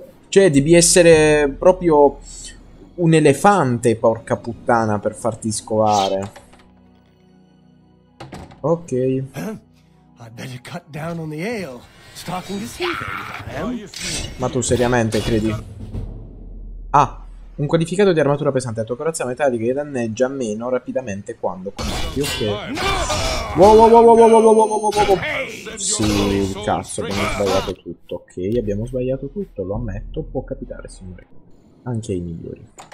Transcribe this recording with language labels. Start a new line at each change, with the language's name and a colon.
Italian: Cioè, devi essere proprio un elefante, porca puttana, per farti scovare. Ok.
English: I better cut down on the ale. Stalking this heathen,
Italian: Ma tu seriamente credi? Ah, un qualificato di armatura pesante, la tua corazza metallica che danneggia meno rapidamente quando combatti. Ok. Sì, cazzo, abbiamo sbagliato tutto. Ok, abbiamo sbagliato tutto, lo ammetto, può capitare, signore. Anche ai migliori.